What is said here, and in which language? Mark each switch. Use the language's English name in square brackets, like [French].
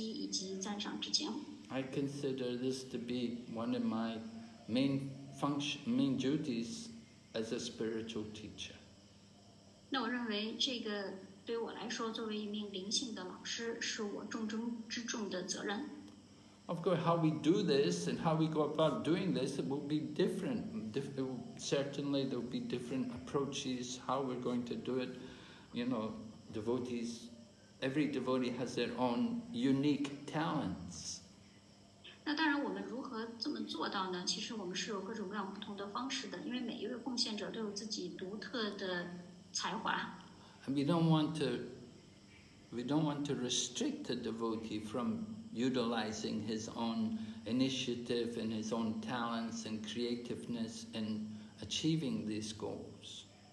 [Chinese] 那我自己本人呢，就愿意把所有的奉献者都和舍勒帕帕连接在一起，并且呢，使他们培养出对舍勒帕帕的感激以及赞赏之情。 [English] I consider this to be one of my main function, main duties as a spiritual teacher. [Chinese] 那我认为这个对我来说，作为一名灵性的老师，是我重中之重的责任。 [English] Of course, how we do this and how we go about doing this, it will be different. Certainly, there will be different approaches, how we're going to do it. You know, devotees, every devotee has their own unique talents. [Chinese] 那当然我们如何这么做到呢？其实我们是有各种各样不同的方式的，因为每一位贡献者都有自己独特的才华。 [English] And we don't want to restrict a devotee from utilizing his own initiative and his own talents and creativeness in achieving these goals.